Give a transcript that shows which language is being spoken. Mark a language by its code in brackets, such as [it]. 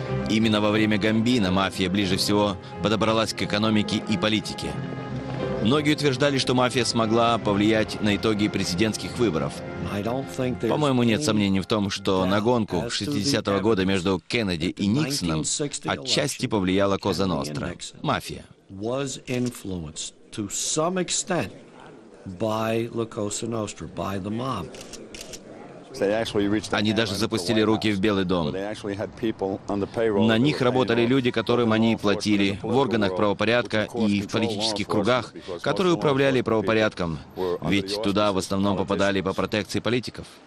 [ru] Именно во время Гамбино мафия ближе всего подобралась к экономике и политике. Многие утверждали, что мафия смогла повлиять на итоги президентских выборов. По-моему, нет сомнений в том, что на гонку 60-го года между Кеннеди и Никсоном отчасти повлияла Коза Ностра, мафия. [en] Was influenced to some extent by La Cosa Nostra, by the mob. [ru] Они даже запустили руки в Белый дом. На них работали люди, которым они платили, в органах правопорядка и в политических кругах, которые управляли правопорядком, ведь туда в основном попадали по протекции политиков.